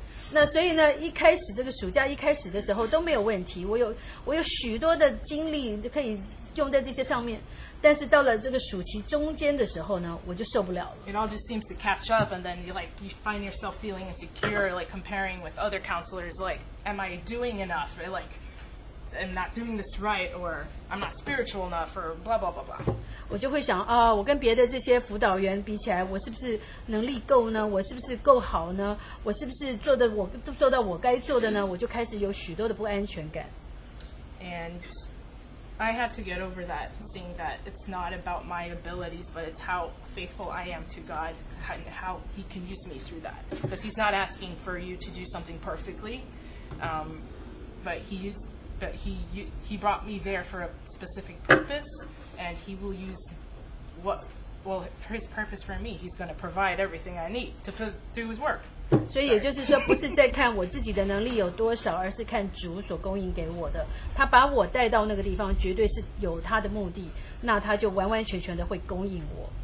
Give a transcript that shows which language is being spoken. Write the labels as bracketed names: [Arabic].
[Chinese] 那所以呢，一开始这个暑假一开始的时候都没有问题，我有许多的精力可以用在这些上面。但是到了这个暑期中间的时候呢，我就受不了了。 [English] It all just seems to catch up, and then you like you find yourself feeling insecure, like comparing with other counselors, like am I doing enough? Or, like am not doing this right, or I'm not spiritual enough, or blah blah blah blah. [Chinese] 我就会想啊，我跟别的这些辅导员比起来，我是不是能力够呢？我是不是够好呢？我是不是做到我该做的呢？我就开始有许多的不安全感。 [English] And I had to get over that, seeing that it's not about my abilities, but it's how faithful I am to God and how He can use me through that. Because He's not asking for you to do something perfectly, but he brought me there for a specific purpose, and He will use for His purpose for me. He's going to provide everything I need to do His work. [Chinese] 所以也就是说，不是在看我自己的能力有多少，而是看主所供应给我的。他把我带到那个地方，绝对是有他的目的。那他就完完全全的会供应我。